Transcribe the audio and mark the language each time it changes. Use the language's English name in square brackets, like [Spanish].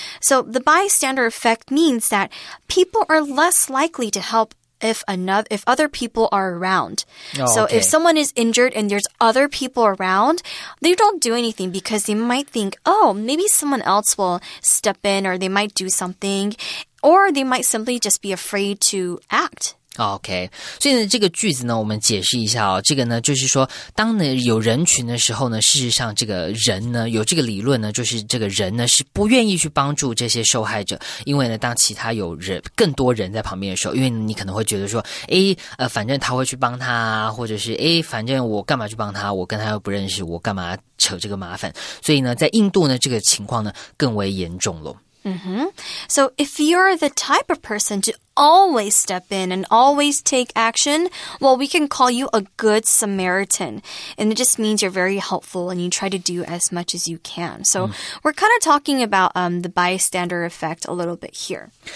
[English] So the bystander effect means that people are less likely to help if other people are around. Oh, so okay. If someone is injured and there's other people around, they don't do anything because they might think, oh, maybe someone else will step in or they might do something, or they might simply just be afraid to act. [Chinese] OK, 所以呢这个句子呢我们解释一下哦这个呢就是说当呢有人群的时候呢事实上这个人呢有这个理论呢就是这个人呢是不愿意去帮助这些受害者因为呢当其他有人更多人在旁边的时候因为你可能会觉得说诶反正他会去帮他或者是诶反正我干嘛去帮他我跟他又不认识我干嘛扯这个麻烦。所以呢在印度呢这个情况呢更为严重了。 Mm-hmm. [English] So if you're the type of person to always step in and always take action, well, we can call you a good Samaritan. And it just means you're very helpful and you try to do as much as you can. So we're kind of talking about the bystander effect a little bit here.